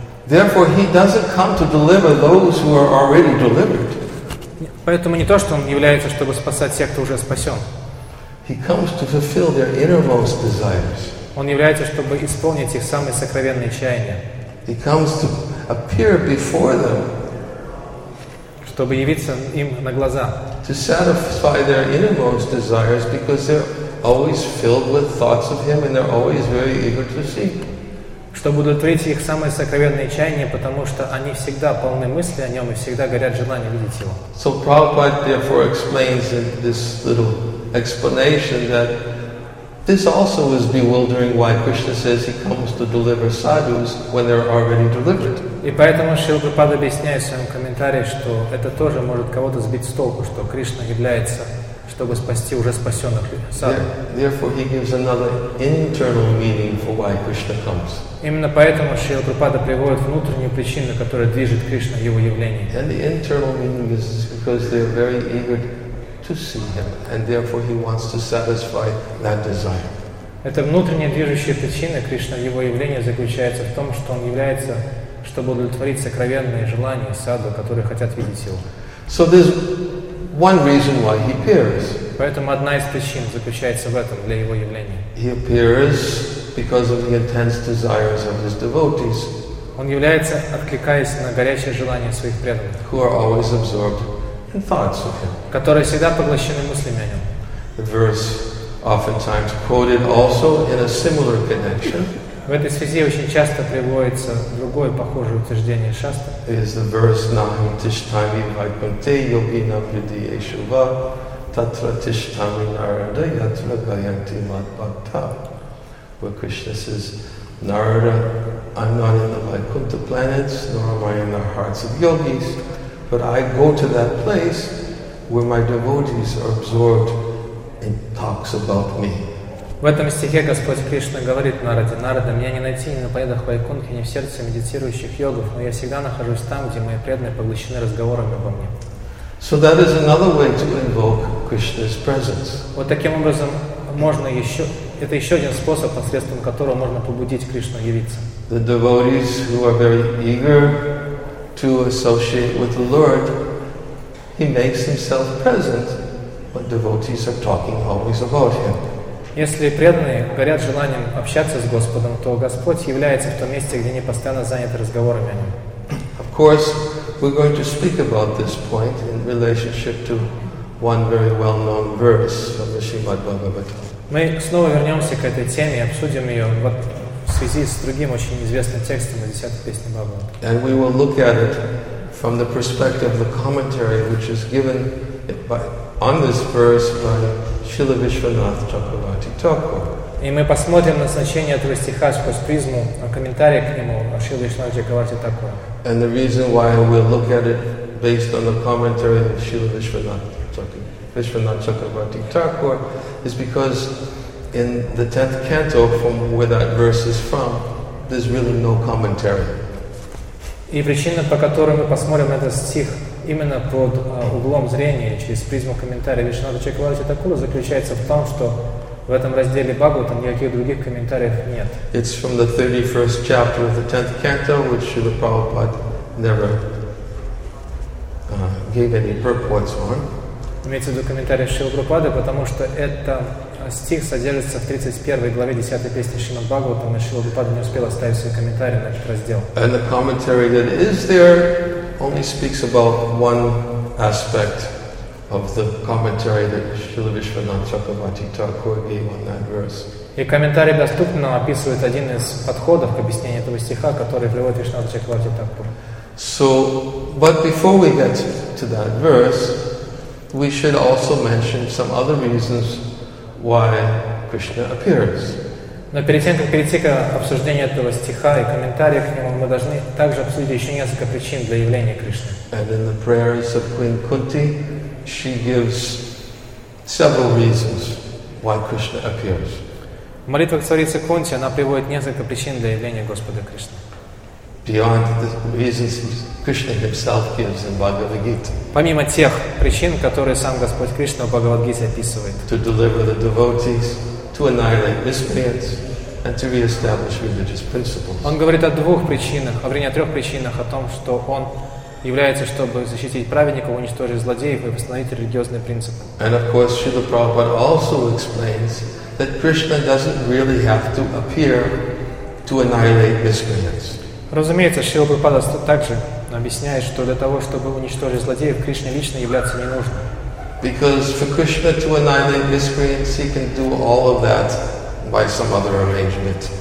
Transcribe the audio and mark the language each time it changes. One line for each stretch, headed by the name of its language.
English: Therefore, He doesn't come to deliver those who are already delivered.
Russian: Поэтому не то, что Он является, чтобы спасать тех, кто уже спасен.
English: He comes to fulfill their innermost desires.
Russian: Он является, чтобы исполнить их самые сокровенные чаяния.
English: He comes to appear before them.
Russian: Чтобы явиться им на глаза.
English: To satisfy their innermost desires because they're always filled with thoughts of Him, and they're always very eager to see.
Russian: Что будут видеть их самые сокровенные чаяния, потому что они всегда полны мысли о Нем и всегда горят желание видеть Его.
English: So Prabhupada therefore explains in this little explanation that this also is bewildering why Krishna says He comes to deliver sadhus when they're already delivered.
Russian: И поэтому Шрила Прабхупада объясняет в своем комментарии, что это тоже может кого-то сбить с толку, что Кришна является, чтобы спасти уже спасенных
English: садху. Therefore He gives another internal meaning for why Krishna comes.
Russian: Именно поэтому Шрила Прабхупада приводит внутреннюю причину, которая движет Кришна в Его явлении.
English: And the internal meaning is because they're very eager to see Him, and therefore He wants to satisfy that desire.
Russian: Эта внутренняя движущая причина Кришна в Его явлении заключается в том, что Он является, чтобы удовлетворить сокровенные желания саду, которые хотят видеть Его.
English: So there's one reason why He appears.
Russian: Поэтому одна из причин заключается в этом для Его явления.
English: He appears because of the intense desires of His devotees.
Russian: Он является, откликаясь на горячие желания своих преданных,
English: who are always absorbed in thoughts of Him.
Russian: Которые всегда поглощены мыслями о Нем.
English: The verse oftentimes quoted also in a similar connection.
Russian: В этой связи очень часто приводится другое похожее утверждение шастры.
English: Is the verse
Sanskrit: Nahi Tishtami Vaikunte Yogina Vridiyeshuva Tatra Tishtami Narada Yatra Gayanti Mat Bhakta.
English: Where Krishna says, Narada, I'm not in the Vaikuntha planets, nor am I in the hearts of yogis, but I go to that place where my devotees are absorbed in talks about me.
Russian: В этом стихе Господь Кришна говорит Нараде: «Нарада, меня не найти ни на поедах Вайкунхе, ни в сердце медитирующих йогов, но я всегда нахожусь там, где мои преданные поглощены разговорами обо мне».
English: So that is another way to invoke Krishna's presence.
Russian: Вот таким образом можно еще, это еще один способ, посредством которого можно побудить Кришну явиться.
English: The devotees who are very eager to associate with the Lord, He makes Himself present when devotees are talking always about Him.
Russian: Если преданные горят желанием общаться с Господом, то Господь является в том месте, где они постоянно заняты разговорами о Нем.
English: Of course, we're going to speak about this point in relationship to one very well-known verse from the Srimad Bhagavatam.
Russian: Мы снова вернемся к этой теме и обсудим ее вот в связи с другим очень известным текстом из 10-й песни Бхагаватам.
English: And we will look at it from the perspective of the commentary which is given on this verse by Srila Vishwanath Chakravarti Thakur.
Russian: И мы посмотрим на значение этого стиха сквозь призму комментария к нему Шрила Вишнава Чакраварти Такур.
English: And the reason why we look at it based on the commentary of Srila Vishwanath Chakravarti Thakur is because in the 10th canto from where that verse is from, there's really no commentary.
Russian: И причина, по которой мы посмотрим этот стих именно под углом зрения, через призму комментария Вишнава Чакраварти Такур, заключается в том, что в этом разделе Бхагаватам никаких других комментариев нет.
English: It's from the 31st chapter of the 10th canto, which Srila Prabhupada never gave any purports on.
Russian: Имеется в виду комментарий Шрилы Прабхупады, потому что это стих содержится в 31 главе 10 песни Шримад Бхагаватам, и Шрила Прабхупада не успел оставить свой комментарий на этот раздел.
English: And the commentary that is there only speaks about one aspect of the commentary that Srila Vishwanath Chakravarti Thakur gave on that verse.
Russian: И комментарий доступно описывает один из подходов к объяснению этого стиха, который приводит Вишнава Чакраварти Такур.
English: So, but before we get to that verse, we should also mention some other reasons why Krishna appears.
Russian: Но перед тем, как перейти к обсуждению этого стиха и комментария к нему, мы должны также обсудить еще несколько причин для явления Кришны.
English: And in the prayers of Queen Kunti, she gives several reasons why Krishna appears.
Russian: В молитвах царицы Кунти она приводит несколько причин для явления Господа Кришны.
English: Beyond the reasons Krishna Himself gives in Bhagavad Gita.
Russian: Помимо тех причин, которые сам Господь Кришна в Бхагавад-гите описывает.
English: To deliver the devotees, to annihilate miscreants, and to re-establish religious principles.
Russian: Он говорит о двух причинах, о вернее, о трех причинах, о том, что он является, чтобы защитить праведников, уничтожить злодеев и восстановить религиозные принципы.
English: And of course, Srila Prabhupada also explains that Krishna doesn't really have to appear to annihilate miscreants.
Russian: Разумеется, Шрила Прабхупада также объясняет, что для того, чтобы уничтожить злодеев, Кришне лично являться не нужно.
English: Because for Krishna to annihilate miscreants, he can do all of that by some other arrangement.